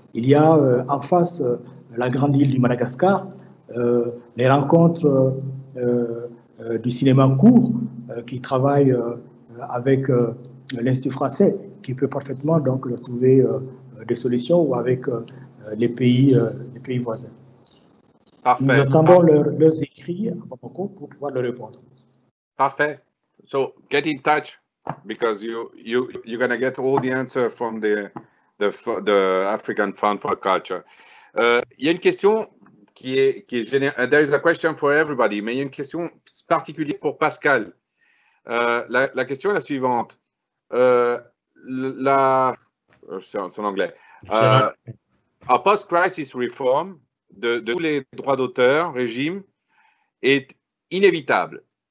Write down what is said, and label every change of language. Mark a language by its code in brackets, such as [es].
[fr] Il y a en face la grande île du Madagascar, les rencontres du cinéma court qui travaille avec l'Institut français, qui peut parfaitement donc leur trouver des solutions, ou avec les pays voisins. Parfait. Nous attendons leurs écrits à propos pour pouvoir leur répondre. Parfait. [en] So get in touch, because you're gonna get all the answer from the African Fund for Culture. [fr] Il y a une question qui est générale. [en] There is a question for everybody, [fr] mais il y a une question particulière pour Pascal. La question est la suivante. C'est en anglais. [en] A post-crisis reform [fr] de tous les droits d'auteur, régime, est inévitable.